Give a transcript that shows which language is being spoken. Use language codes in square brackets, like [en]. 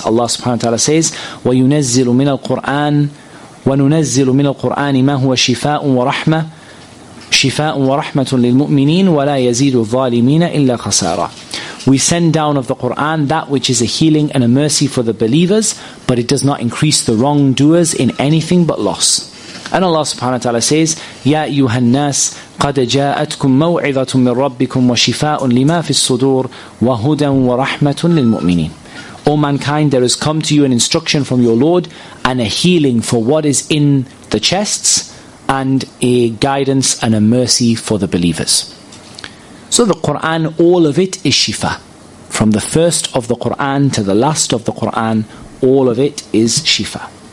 [en] Allah subhanahu wa ta'ala says, [ar] وَيُنَزِّلُ مِنَ الْقُرْآنِ وَنُنَزِّلُ مِنَ الْقُرْآنِ مَا هُوَ شِفَاءٌ وَرَحْمَةٌ شِفَاءٌ وَرَحْمَةٌ لِلْمُؤْمِنِينَ وَلَا يَزِيدُ الظَّالِمِينَ إِلَّا خَسَارًا. [en] We send down of the Qur'an that which is a healing and a mercy for the believers, but it does not increase the wrongdoers in anything but loss. And Allah subhanahu wa ta'ala says, [ar] يَا أَيُّهَا النَّاسِ قَدَ جَاءَتْكُمْ مَوْعِظَةٌ مِّن رَبِّكُمْ وَشِفَاءٌ لِمَا فِي الصُّدُورِ وَهُدًى وَرَحْمَةٌ لِلْمُؤْمِنِينَ. [en] O mankind, there has come to you an instruction from your Lord and a healing for what is in the chests, and a guidance and a mercy for the believers. So the Qur'an, all of it is shifa. From the first of the Qur'an to the last of the Qur'an, all of it is shifa.